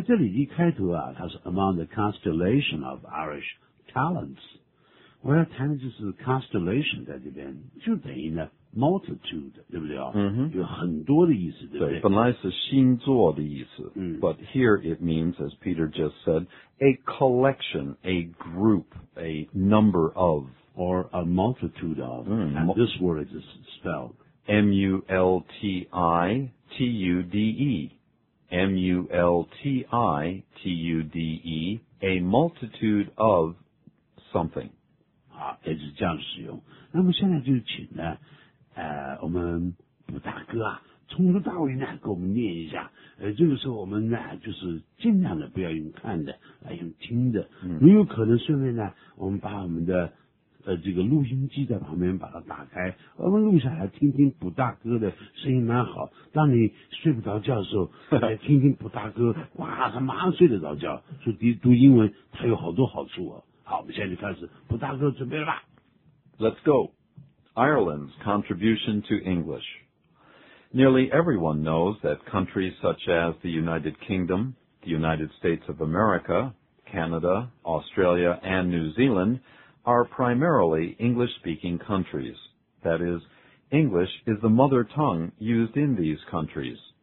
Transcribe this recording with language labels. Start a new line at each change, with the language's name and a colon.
Chinese: 也就是他们的贡献呢，我们要特别的这个说了不起。没有他们的贡献，英国文学呢就可能就会有差一点的表现了。在这里一开头啊，它是
English: among the constellation of Irish talents.
Chinese: 我要谈的就是 constellation 在这边就等于呢。 Multitude, 对不对啊? Mm-hmm. 有很多的意思,对不对? 对,本来是星座的意思,
English: but here it means, as Peter just said, a collection, a group, a number of. Or a multitude of, and this word is spelled. M-U-L-T-I-T-U-D-E, M-U-L-T-I-T-U-D-E, a multitude of something.
Chinese: 啊，也就是这样使用。那么现在就请呢，我们卜大哥啊，从头到尾呢给我们念一下。这个时候我们呢就是尽量的不要用看的，来用听的。嗯，如有可能顺便呢，我们把我们的这个录音机在旁边把它打开，我们录下来听听卜大哥的声音蛮好。当你睡不着觉的时候，来听听卜大哥，哇，他马上睡得着觉。所以读英文它有好多好处哦。好，我们现在就开始，卜大哥准备了吧
English: ？Let's go. Ireland's contribution to English. Nearly everyone knows that countries such as the United Kingdom, the United States of America, Canada, Australia, and New Zealand. Are primarily English-speaking countries. That is, English is the mother tongue used in these countries.